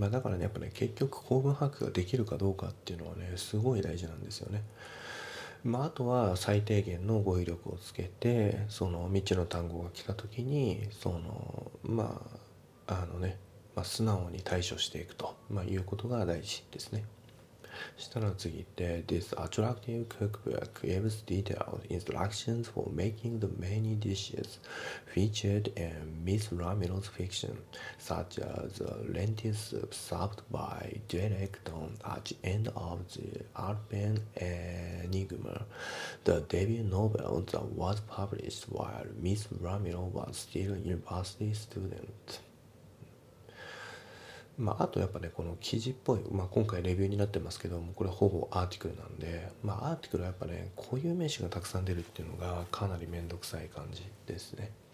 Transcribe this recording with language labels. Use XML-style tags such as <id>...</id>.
<ja>まあ、だからね、やっぱね、結局構文把握ができるかどうかっていうのはね、すごい大事なんですよね。まあ、あとは最低限の語彙力をつけて、その未知の単語が来た時に、素直に対処していくと、いうことが大事ですね。したら次で、</ja> <en>This attractive cookbook gives detailed instructions for making the many dishes featured in Miss Ramiro's fiction, such as lentil soup served by Derek Don at the end of the Alpen Enigma, the debut novel that was published while Miss Ramiro was still a university student.</en> <ja>あとやっぱね、この記事っぽい、今回レビューになってますけども、これほぼアーティクルなんで、アーティクルはやっぱね、固有名詞がたくさん出るっていうのがかなりめんどくさい感じですね。</ja>